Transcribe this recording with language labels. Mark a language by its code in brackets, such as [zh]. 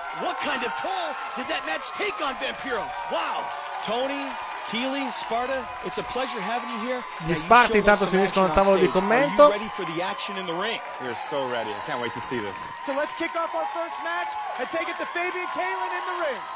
[en] What kind of toll did that match take on Vampiro? Wow! Tony, Keely, Sparta, it's a pleasure having you here. [it] Gli Sparta intanto si uniscono al tavolo di commento. [en] Are you ready for the action in the ring? We're so ready. I can't wait to see this. So let's kick off our first match and take it to Fabian Kaelin in the ring.